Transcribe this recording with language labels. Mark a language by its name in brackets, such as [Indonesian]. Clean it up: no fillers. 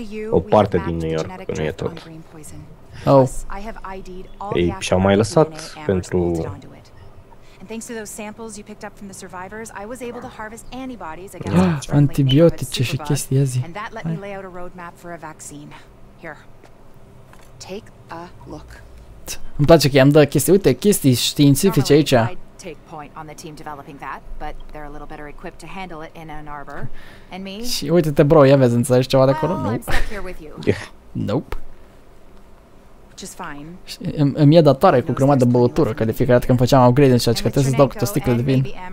[Romanian] O parte din New York, că nu e tot. Oh. Ei, și-au mai lăsat pentru... [English] And thanks to those samples you picked up from the survivors, I was able to harvest antibodies against [Romanian] antibiotice și chestii azi. [English] And that let me lay out a roadmap for a vaccine. Here. Take a look. [Romanian] Îmi place că i-am dat chestii, uite, chestii științifice aici. [English] Take point on the team developing that, but they're a little better equipped to handle it in Ann Arbor. And me? [Romanian] Și uite-te, bro, ia vezi, înțelegi ceva de acolo? Nu. Nope. Îmi e datoare cu crema de băutură, că de fiecare dată când făceam upgrade-uri și așa, că trebuie să-ți dau câte o sticlă de vin.